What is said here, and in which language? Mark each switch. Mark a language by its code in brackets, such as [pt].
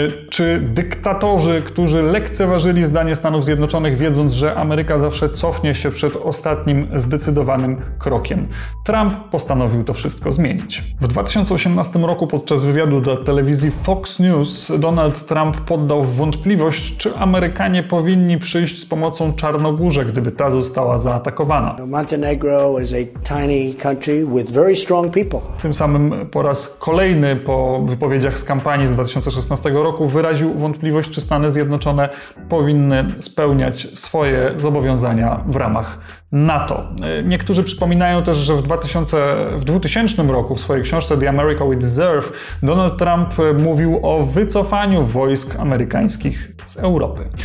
[pl] Czy dyktatorzy, którzy lekceważyli zdanie Stanów Zjednoczonych, wiedząc, że Ameryka zawsze cofnie się przed ostatnim zdecydowanym krokiem. Trump postanowił to wszystko zmienić. W 2018 roku podczas wywiadu do telewizji Fox News Donald Trump poddał w wątpliwość, czy Amerykanie powinni przyjść z pomocą Czarnogórze, gdyby ta została zaatakowana. [en] Montenegro is a tiny country with very strong people. [pl] Tym samym po raz kolejny po wypowiedziach z kampanii z 2016 roku wyraził wątpliwość, czy Stany Zjednoczone powinny spełniać swoje zobowiązania w ramach NATO. Niektórzy przypominają też, że w 2000 roku w swojej książce The America We Deserve Donald Trump mówił o wycofaniu wojsk amerykańskich z Europy.